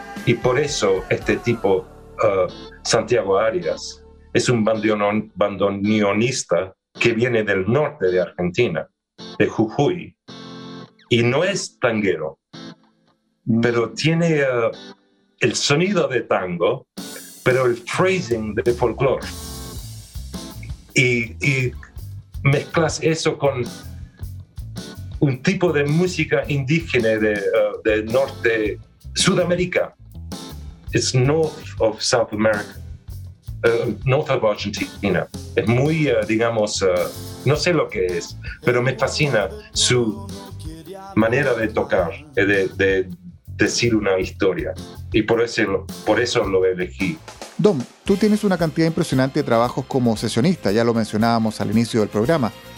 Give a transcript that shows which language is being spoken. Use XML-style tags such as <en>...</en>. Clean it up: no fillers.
<es>Y por eso este tipo, Santiago Arias, es un bandoneonista que viene del norte de Argentina, de Jujuy, y no es tanguero, pero tiene el sonido de tango, pero el phrasing de folclore. Y mezclas eso con un tipo de música indígena de Norte, Sudamérica.</es> <en>It's north of South America, north of Argentina.</en> <es>Es muy, digamos, no sé lo que es, pero me fascina su manera de tocar, de decir una historia. Y por eso lo elegí. Dom, tú tienes una cantidad impresionante de trabajos como sesionista, ya lo mencionábamos al inicio del programa.</es>